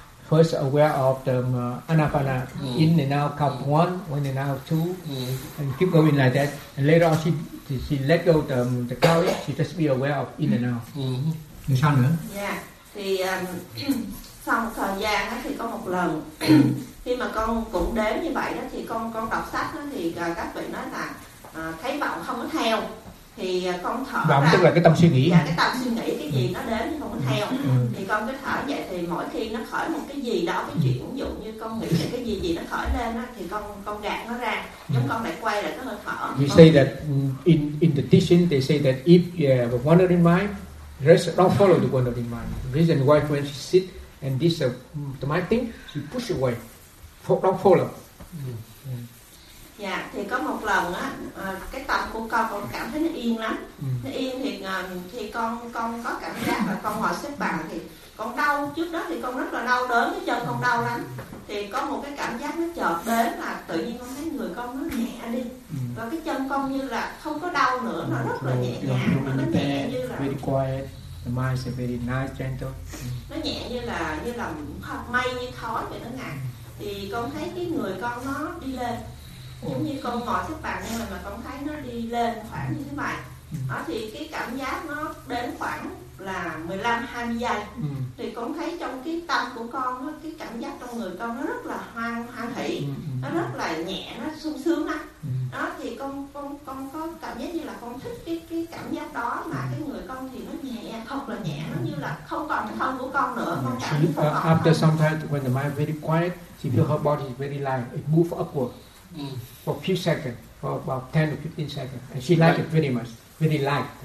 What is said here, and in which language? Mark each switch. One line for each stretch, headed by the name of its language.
English: First aware of the anapana, in and out count one in and out two, and keep going like that. And later on she let go the count, she just be aware of in and out.
Vietnamese: Thì sao nữa? Dạ, thì sau một thời gian thì có một lần khi mà con cũng đếm như vậy đó, thì con đọc sách đó, thì các vị nói là thấy vọng không có theo, thì con thở vọng tức là cái tâm suy nghĩ. Dạ, cái tâm suy nghĩ cái gì nó đến không có theo. Thì con cứ thở vậy, thì mỗi khi nó khởi một cái gì đó, cái chuyện ví dụ như con nghĩ về cái gì nó khởi lên đó, thì con gạt nó ra, giống con lại quay lại cái hơi thở.
English: You say that in the teaching they say that if you have a wandering mind, rest, don't follow the wandering mind. The reason why when she sit and this the mind thing, she push away. Don't follow. Yeah.
Vietnamese: Yeah, thì có một lần á, cái tâm của con cảm thấy nó yên lắm. Nó yên thì con có cảm giác là con ngồi xếp bằng thì con đau. Trước đó thì con rất là đau đớn, cái chân con đau lắm. Thì có một cái cảm giác nó chợt đến là tự nhiên con thấy người con nó nhẹ đi. Và cái chân con như là không có đau nữa, nó rất là nhẹ nhàng, nó nhẹ như là
English: very quiet. The mind is very nice, gentle.
Vietnamese: Nó nhẹ như là hạt mây như khói vậy đó ngài. Thì con thấy cái người con nó đi lên. Giống như con ngồi xếp bằng nhưng mà con thấy nó đi lên khoảng như thế này. Đó, thì cái cảm giác nó đến khoảng là 15-20 giây, thì con thấy trong cái tâm của con nó, cái cảm giác trong người con nó rất là hoan hỷ, nó rất là nhẹ, nó sung sướng lắm. Đó thì con có cảm giác như là con thích cái cảm giác đó, mà cái người con thì nó nhẹ, thật là nhẹ, nó như là không còn thân của con nữa. Con cảm thấy
English: after some time when the mind very quiet, she feel her body is very light, it move upward for a few seconds, for about 10 to 15 seconds, and she liked it very much, very light.